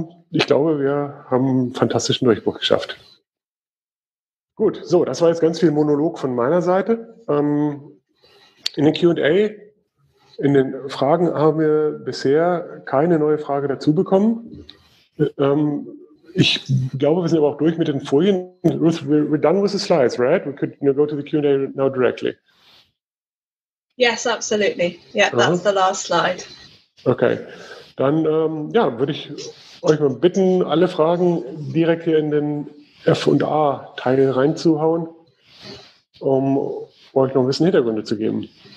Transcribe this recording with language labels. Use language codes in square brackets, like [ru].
[de] Ich glaube, wir haben einen fantastischen Durchbruch geschafft. Gut, so, das war jetzt ganz viel Monolog von meiner Seite. In den Q&A, in den Fragen, haben wir bisher keine neue Frage dazu bekommen. Ich glaube, wir sind aber auch durch mit den Folien. [en] Ruth, we're done with the slides, right? We could go to the Q&A now directly. Yes, absolutely. Yeah, that's the last slide. [de] Okay, dann ja, würde ich euch mal bitten, alle Fragen direkt hier in den F&A-Teil reinzuhauen, um euch noch ein bisschen Hintergründe zu geben.